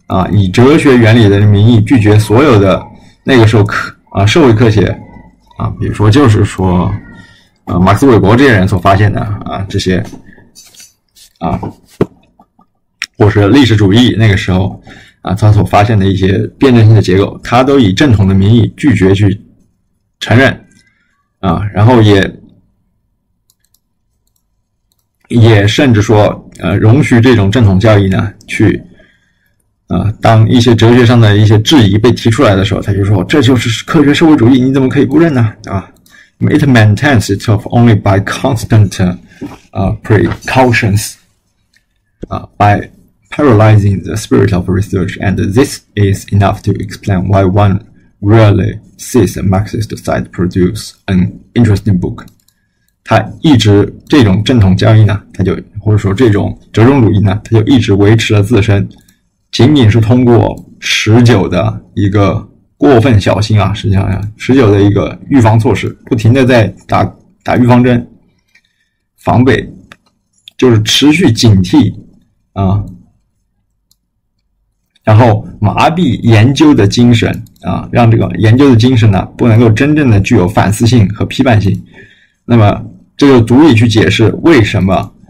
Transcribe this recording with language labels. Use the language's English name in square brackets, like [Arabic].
[Chinese] 以哲学原理的名义拒绝所有的那个时候社会科学比如说就是说马克思韦伯这些人所发现的这些或是历史主义那个时候他所发现的一些辩证性的结构，他都以正统的名义拒绝去承认然后也甚至说容许这种正统教义呢去。当一些哲学上的一些质疑被提出来的时候，他就说："这就是科学社会主义，你怎么可以不认呢？" [English] It maintains itself only by constant precautions, by paralyzing the spirit of research, and this is enough to explain why one rarely sees a Marxist side produce an interesting book." [Chinese] 他一直这种正统交易呢，他就或者说这种折中主义呢，他就一直维持了自身。仅仅是通过持久的一个过分小心啊，实际上呀，持久的一个预防措施，不停的在打预防针，防备，就是持续警惕然后麻痹研究的精神让这个研究的精神呢，不能够真正的具有反思性和批判性，那么这就足以去解释为什么。